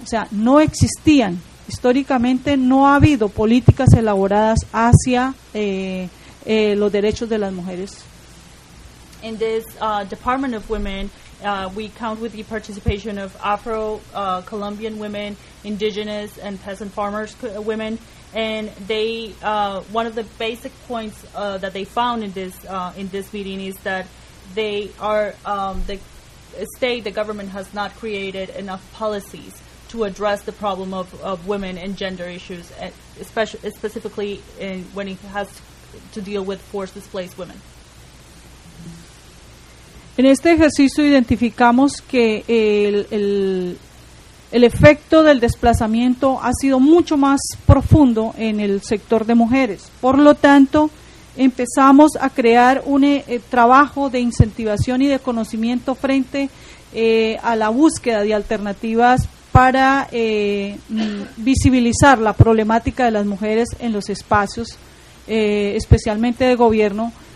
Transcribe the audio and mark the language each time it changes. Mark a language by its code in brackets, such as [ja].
[es] O sea, no existían, históricamente no ha habido políticas elaboradas hacia los derechos de las mujeres. [en] In this Department of Women, we count with the participation of Afro-Colombian women, indigenous and peasant farmers women. And they, one of the basic points that they found in this meeting is that they are the state, the government has not created enough policies to address the problem of women and gender issues, specifically in when it has to deal with forced displaced women. [es] En este ejercicio identificamos que el efecto del desplazamiento ha sido mucho más profundo en el sector de mujeres. Por lo tanto, empezamos a crear un trabajo de incentivación y de conocimiento frente a la búsqueda de alternativas para visibilizar la problemática de las mujeres en los espacios, especialmente de gobierno,